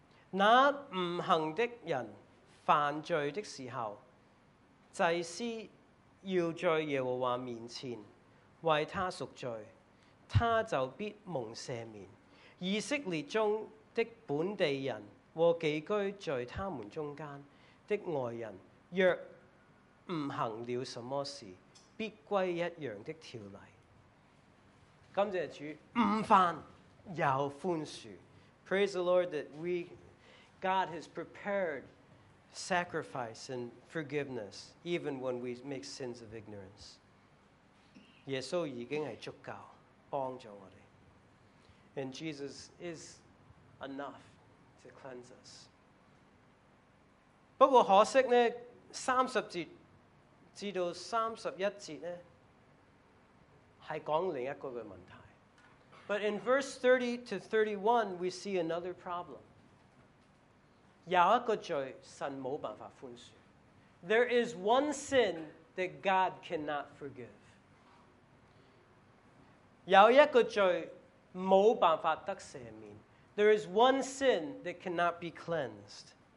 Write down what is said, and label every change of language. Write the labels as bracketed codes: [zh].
[zh] 那誤行的人犯罪的時候，祭司要在耶和華面前為他贖罪，他就必蒙赦免。以色列中的本地人和寄居在他們中間的外人，若不行了什么事，必归一样的条例。感谢主，不犯有宽恕。 [en] Praise the Lord that we, God has prepared sacrifice and forgiveness even when we make sins of ignorance. [zh] 耶稣已经是足够帮助我们。 [en] And Jesus is enough to cleanse us. [zh] 不过可惜呢，30-31节呢，是讲另一个的问题。 [en] But in verse 30-31, we see another problem. [zh] 有一个罪，神没办法宽恕。 [en] There is one sin that God cannot forgive. [zh] 有一个罪，没办法得赦免。 [en] There is one sin that cannot be cleansed.